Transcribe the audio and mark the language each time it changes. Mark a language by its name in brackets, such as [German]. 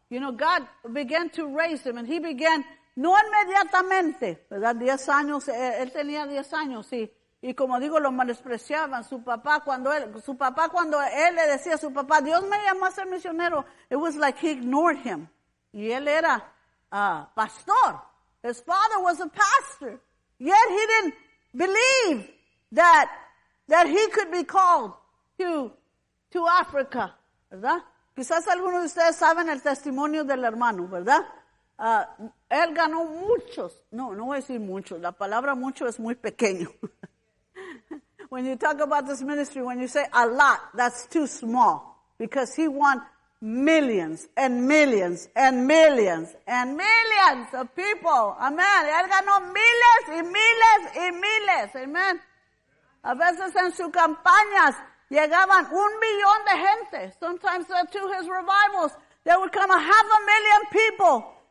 [English] You know, God began to raise him, and he began, [Spanish] no inmediatamente, ¿verdad? 10 años, él tenía 10 años, sí. Y como digo, lo menospreciaban. Su papá cuando él le decía a su papá, Dios me llamó a ser misionero, [English] it was like he ignored him. [Spanish] Y él era pastor. [English] His father was a pastor. Yet he didn't believe that he could be called to Africa. [Spanish] ¿Verdad? Quizás algunos de ustedes saben el testimonio del hermano, ¿verdad? Él ganó muchos. No voy a decir muchos. La palabra mucho es muy pequeño. [English] When you talk about this ministry, when you say a lot, that's too small. Because he won millions and millions and millions and millions of people. [Spanish] Amen. Él ganó miles y miles y miles. Amen. A veces en sus campañas llegaban 1 millón de gente. [English] Sometimes to his revivals, there would come 500,000 people.